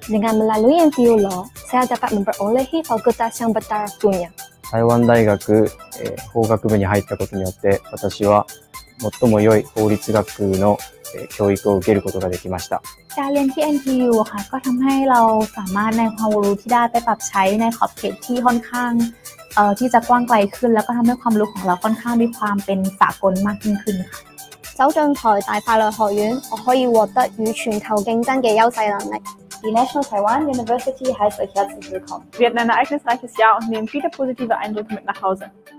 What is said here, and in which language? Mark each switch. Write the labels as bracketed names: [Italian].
[Malay] Dengan melalui NTU Law, saya dapat memperolehi fakultas yang bertaraf dunia. [Japanese] 台湾大学、法学部に入ったことによって、私は最も良い法律学の、教育を受けることができました。 [Thai] การเรียนที่ NTU ค่ะก็ทำให้เราสามารถนำความรู้ที่ได้ไปปรับใช้ในขอบเขตที่ค่อนข้างที่จะกว้างไกลขึ้นแล้วก็ทำให้ความรู้ของเราค่อนข้างมีความเป็นสากลมากยิ่งขึ้นค่ะ [Chinese] 走进台大法律学院，我可以获得与全球竞争的优势能力。 [German] The National Taiwan University heißt euch herzlich willkommen. Wir hatten ein ereignisreiches Jahr und nehmen viele positive Eindrücke mit nach Hause.